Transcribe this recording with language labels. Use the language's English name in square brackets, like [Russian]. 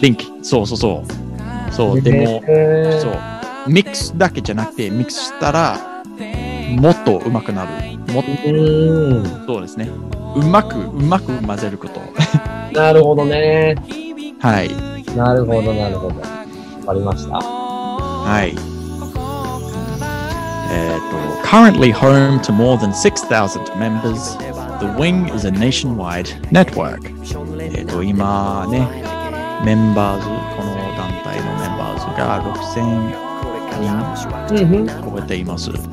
[Japanese] リンク。そうそうそう。そう、でも、そう。ミックスだけじゃなくて、ミックスしたら、もっと上手くなる、もっと、そうですね、うまくうまく混ぜること。なるほどね。はい、なるほどなるほど、わかりました。 [English] はい、Currently home to more than 6,000 members, The Wing is a nationwide network. [Japanese] 今ね、メンバーズ、この団体のメンバーズが6,000超えています。